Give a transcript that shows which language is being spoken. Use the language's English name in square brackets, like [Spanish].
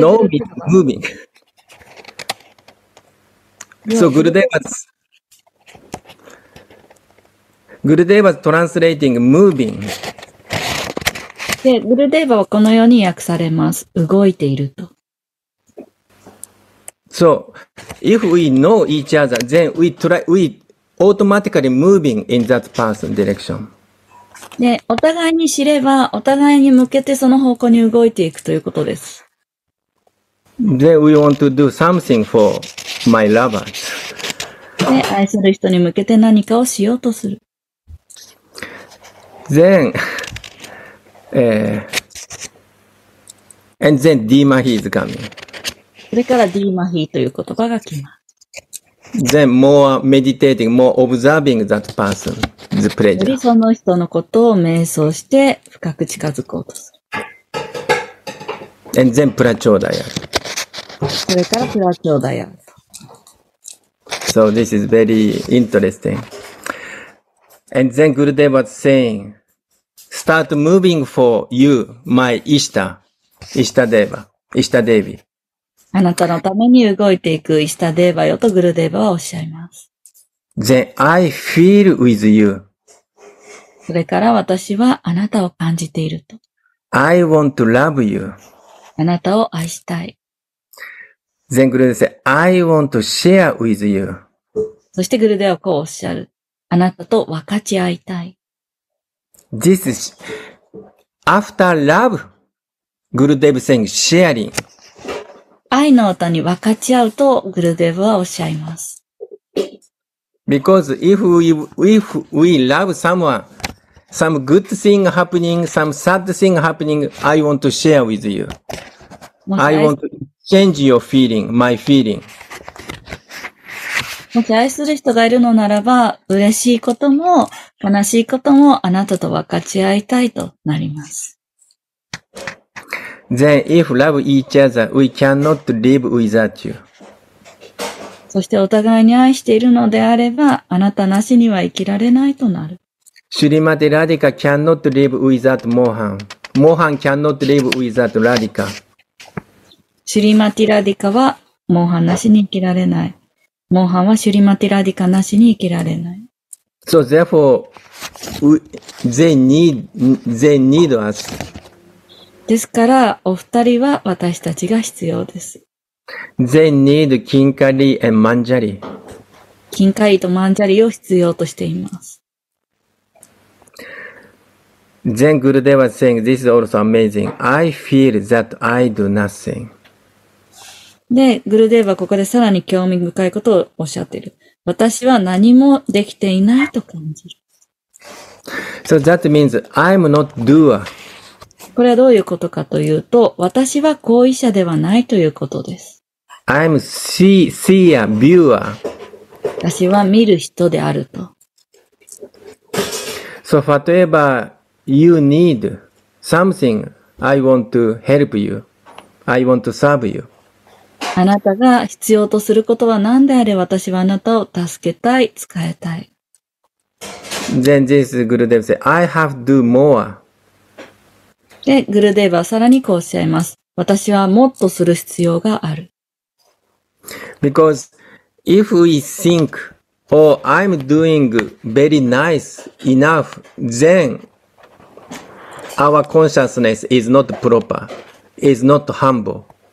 [English] no means moving。 So Gurudeva's translating moving。 [Japanese] で、グルデーヴァはこのように訳されます。動いていると。 [English] So, if we know each other, then we try, we automatically moving in that person direction. [Japanese] で、お互いに知れば、お互いに向けてその方向に動いていくということです。 [English] Then we want to do something for my lovers. [Japanese] で、愛する人に向けて何かをしようとする。 [English] Then,and then D マヒ is coming. [Japanese] それから D マヒという言葉が来ます。 [English] Then more meditating, more observing that person, the pleasure. [Japanese] よりその人のことを瞑想して深く近づこうとする。 [English] And then プラチョーダやる。 [Japanese] それからプラチョーダやる。 [English] So this is very interesting. And then Gurudeva was saying,Start moving for you, my Ishtadeva, Ishtadevi. [Japanese] あなたのために動いていくイシタデーヴァよとグルデーヴァはおっしゃいます。 [English] Then I feel with you. [Japanese] それから私はあなたを感じていると。 [English] I want to love you. [Japanese] あなたを愛したい。 [English] Then グルデーヴァは I want to share with you. [Japanese] そしてグルデーヴァはこうおっしゃる。あなたと分かち合いたい。 [English] This is after love, Gurudev saying sharing. [Japanese] 愛の歌に分かち合うとグルデヴはおっしゃいます。 [English] Because if we love someone, some good thing happening, some sad thing happening, I want to share with you. I want to change your feeling, my feeling. [Japanese] もし愛する人がいるのならば、嬉しいことも悲しいこともあなたと分かち合いたいとなります。 [English] Then if love each other, we cannot live without you. [Japanese] そしてお互いに愛しているのであれば、あなたなしには生きられないとなる。 [English] シュリマテ・ラディカ cannot live without Mohan. Mohan cannot live without Radhika. [Japanese] シュリマティ・ラディカはモーハンなしに生きられない。モーハンはシュリマティラディカなしに生きられない。 [English] So therefore, they need us. [Japanese] ですから、お二人は私たちが必要です。 [English] They need Kinkari and Manjari. [Japanese] Kinkari と Manjari を必要としています。 [English] Then Gurudeva was saying, this is also amazing. I feel that I do nothing. [Japanese] で、グルデーヴはここでさらに興味深いことをおっしゃっている。私は何もできていないと感じる。 [English] So that means I'm not doer. [Japanese] これはどういうことかというと、私は行為者ではないということです。 [English] I'm seer, viewer. [Japanese] 私は見る人であると。 [English] So, whatever you need, something I want to help you. I want to serve you. [Japanese] あなたが必要とすることは何であれ、私はあなたを助けたい、使いたい。 [English] Then this Gurudev said, I have to do more. [Japanese] で、グルデーヴはさらにこうおっしゃいます。私はもっとする必要がある。 [English] Because if we think, oh, I'm doing very nice enough, then our consciousness is not proper, is not humble.